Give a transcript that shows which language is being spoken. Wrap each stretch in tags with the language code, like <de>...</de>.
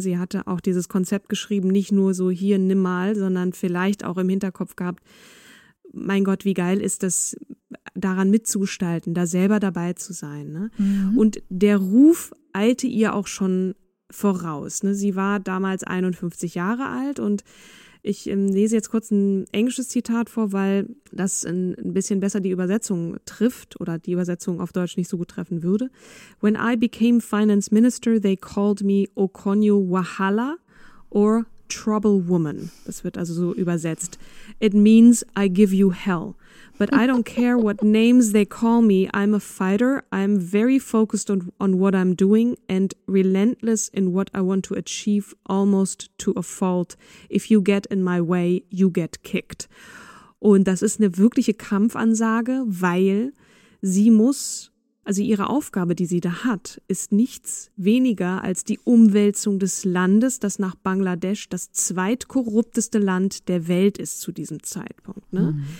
<de>Sie hatte auch dieses Konzept geschrieben, nicht nur so hier nimm mal, sondern vielleicht auch im Hinterkopf gehabt, mein Gott, wie geil ist das, daran mitzugestalten, da selber dabei zu sein. Ne? Mhm. Und der Ruf eilte ihr auch schon voraus. Ne? Sie war damals 51 Jahre alt und ich lese jetzt kurz ein englisches Zitat vor, weil das ein bisschen besser die Übersetzung trifft oder die Übersetzung auf Deutsch nicht so gut treffen würde.</de> <en>When I became finance minister, they called me Okonjo-Iweala or Trouble Woman.</en> <de>Das wird also so übersetzt.</de> <en>It means I give you hell. But I don't care what names they call me. I'm a fighter. I'm very focused on what I'm doing and relentless in what I want to achieve almost to a fault. If you get in my way, you get kicked.</en> <de>Und das ist eine wirkliche Kampfansage, weil sie muss, also ihre Aufgabe, die sie da hat, ist nichts weniger als die Umwälzung des Landes, das nach Bangladesch das zweitkorrupteste Land der Welt ist zu diesem Zeitpunkt. Ne? Mhm.</de>